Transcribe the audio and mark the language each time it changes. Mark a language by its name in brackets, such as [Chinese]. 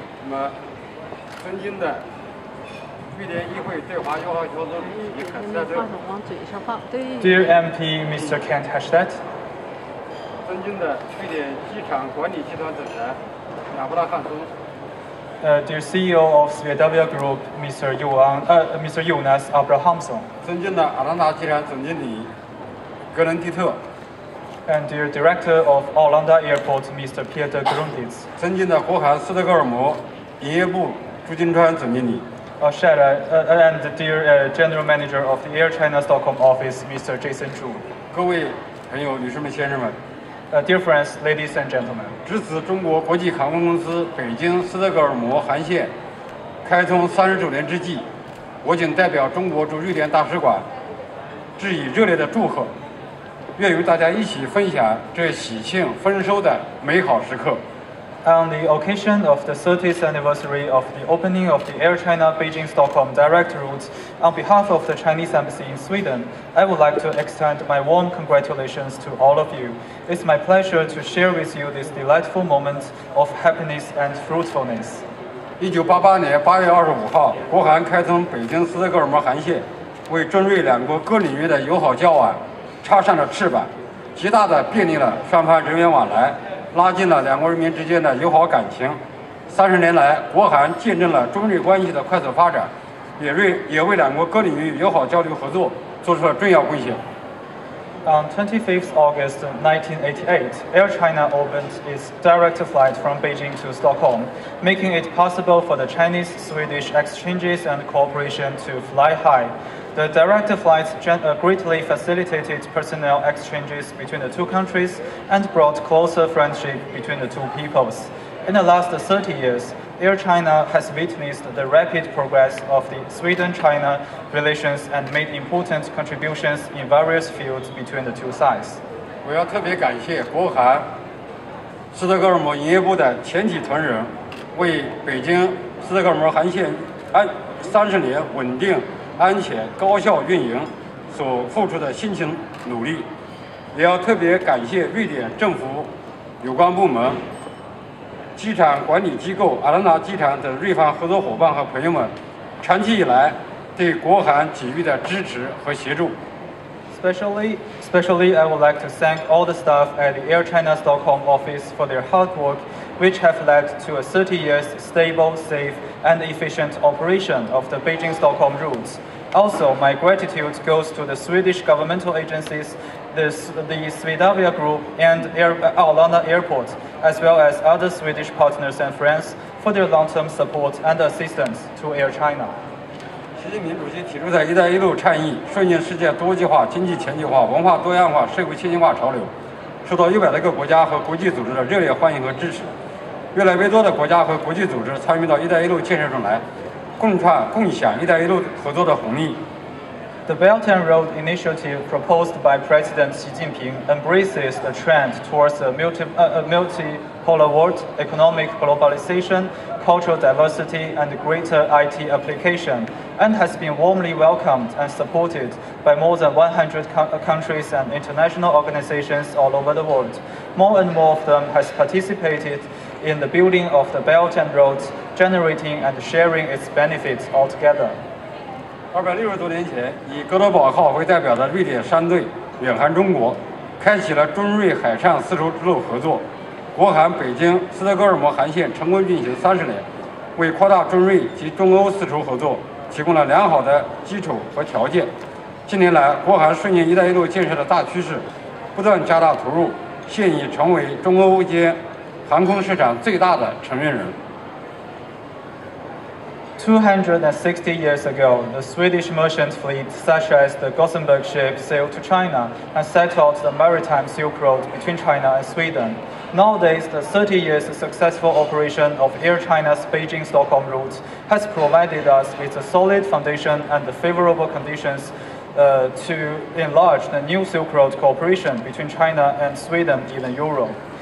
[Chinese] 那么，尊敬的瑞典议会对华友好小组主席，话筒往嘴上放。对。 [English] Dear MP Mr. Kent Hashtet。 [Chinese] 尊敬的瑞典机场管理集团总裁亚布拉汉松。 [English] Dear CEO of Swedavia Group, Mr. Jonas Abrahamsson. [Chinese] 尊敬的阿兰达集团总经理格伦蒂特。 [English] And dear Director of Arlanda Airport, Mr. Peter Grunditz. [Chinese] 尊敬的国航斯德哥尔摩营业部朱金川总经理。 [English] And dear General Manager of the Air China Stockholm office, Mr. Jason Zhu. [Chinese] 各位朋友、女士们、先生们。 [English] Dear friends, ladies and gentlemen, [Chinese] 值此中国国际航空公司北京斯德哥尔摩航线开通30周年之际，我谨代表中国驻瑞典大使馆致以热烈的祝贺，愿与大家一起分享这喜庆丰收的美好时刻。 [English] On the occasion of the 30th anniversary of the opening of the Air China Beijing Stockholm direct route, on behalf of the Chinese Embassy in Sweden, I would like to extend my warm congratulations to all of you. It's my pleasure to share with you this delightful moment of happiness and fruitfulness. [Chinese] 1988年8月25号，国航开通北京斯德哥尔摩航线，为中瑞两国各领域的友好交往插上了翅膀，极大地便利了双方人员往来。拉近了两国人民之间的友好感情。30年来，国航见证了中瑞关系的快速发展，也为两国各领域友好交流合作做出了重要贡献。 [English] On 25th August 1988, Air China opened its direct flight from Beijing to Stockholm, making it possible for the Chinese-Swedish exchanges and cooperation to fly high. The direct flights greatly facilitated personnel exchanges between the two countries and brought closer friendship between the two peoples. In the last 30 years, Air China has witnessed the rapid progress of the Sweden-China relations and made important contributions in various fields between the two sides. [Chinese] 我要特别感谢国韩斯德哥尔摩营业部的全体团人为北京斯德哥尔摩航线30年稳定、安全、高效运营所付出的辛勤努力。也要特别感谢瑞典政府有关部门、机场管理机构阿兰达机场等瑞方合作伙伴和朋友们长期以来对国韩机遇的支持和协助。 [English] Especially, I would like to thank all the staff at the Air China Stockholm office for their hard work, which have led to a 30 years stable, safe, and efficient operation of the Beijing-Stockholm routes. Also, my gratitude goes to the Swedish governmental agencies, the Swedavia Group, and Arlanda Airport, as well as other Swedish partners and friends for their long-term support and assistance to Air China. [Chinese] 习近平主席提出的一带一路倡议顺应世界多极化、经济全球化、文化多样化、社会信息化潮流，受到100多个国家和国际组织的热烈欢迎和支持。越来越多的国家和国际组织参与到一带一路建设中来，共创共享一带一路合作的红利。 [English] The Belt and Road Initiative proposed by President Xi Jinping embraces the trend towards a multipolar world, economic globalization, cultural diversity, and greater IT application, and has been warmly welcomed and supported by more than 100 countries and international organizations all over the world. More and more of them has participated in the building of the Belt and Road, generating and sharing its benefits altogether. [Chinese] 260多年前，以哥德堡号为代表的瑞典商队远航中国，开启了中瑞海上丝绸之路合作。国韩北京斯德哥尔摩航线成功运行30年，为扩大中瑞及中欧丝绸合作提供了良好的基础和条件。近年来，国韩顺应“一带一路”建设的大趋势，不断加大投入，现已成为中欧间航空市场最大的承运人。 [English] 260 years ago, the Swedish merchant fleet such as the Gothenburg ship sailed to China and set out the maritime Silk Road between China and Sweden. Nowadays, the 30 years successful operation of Air China's Beijing-Stockholm route has provided us with a solid foundation and the favorable conditions to enlarge the new Silk Road cooperation between China and Sweden in Europe.